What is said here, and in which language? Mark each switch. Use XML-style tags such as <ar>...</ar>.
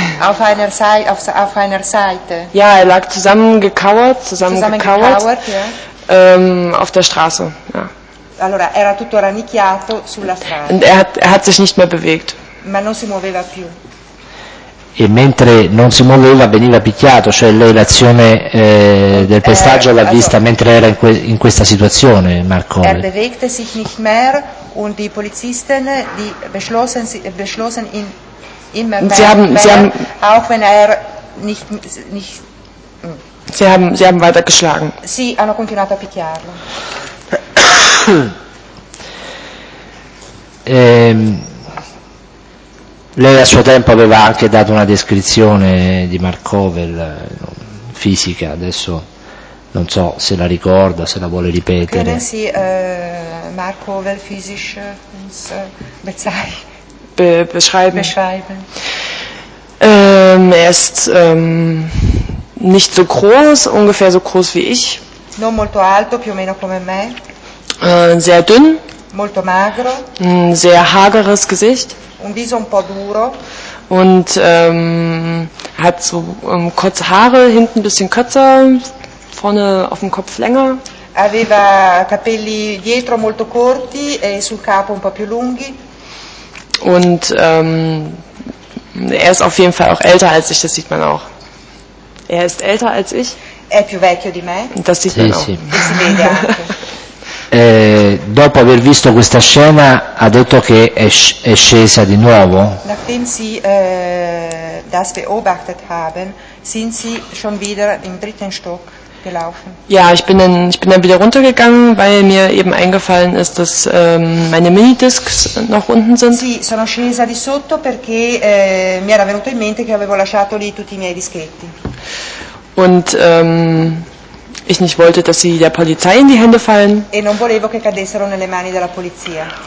<de>auf einer Seite, auf einer Seite. Ja, er lag zusammengekauert, zusammengekauert, ja. Auf der Straße, ja.</de> <it>Allora era tutto rannicchiato sulla strada.</it> <de>Und er hat sich nicht mehr bewegt.</de> <it>Ma non si muoveva più. E mentre non si muoveva veniva picchiato, cioè lei l'azione del pestaggio l'ha vista also, mentre era in questa situazione, Marco.</it> <de>Er bewegte sich nicht mehr und die Polizisten die beschlossen ihn immer sie mehr, haben, mehr sie haben, auch wenn er nicht sie haben weiter geschlagen.</de> <it>Sie hanno continuato a picchiarlo. Lei a suo tempo aveva anche dato una descrizione di Mark Howell, fisica, adesso non so se la ricorda, se la vuole ripetere.</it> <de>Können Sie Mark Howell physisch uns beschreiben? Beschreiben. Er ist nicht so groß, ungefähr so groß wie ich.</de> <it>Non molto alto, più o meno come me.</it> <de>Sehr dünn.</de> <it>Molto magro.</it> <de>Ein sehr hageres Gesicht.</de> <it>Un viso un po' duro.</it> <de>Und hat so kurze Haare, hinten ein bisschen kürzer, vorne auf dem Kopf länger.</de> <it>Aveva capelli dietro molto corti e sul capo un po' più lunghi.</it> <de>Und er ist auf jeden Fall auch älter als ich, das sieht man auch. Er ist älter als ich.</de> <it>È più vecchio di me.</it> <de>Das sieht man auch.</de> <it>Sì.</it> <de>Das</de> <it>si vede anche. Dopo aver visto questa scena ha detto che è scesa di nuovo?</it> <de>Nachdem Sie das beobachtet haben, sind Sie schon wieder im dritten Stock gelaufen? Ja, ich bin dann wieder runtergegangen, weil mir eben eingefallen ist, dass meine Minidiscs noch unten sind.</de> <it>Sì, sono scesa di sotto perché mi era venuto in mente che avevo lasciato lì tutti i miei dischetti.</it> <de>Und ich nicht wollte, dass sie der Polizei in die Hände fallen.</de> <it>E non volevo che cadessero nelle mani della polizia.</it>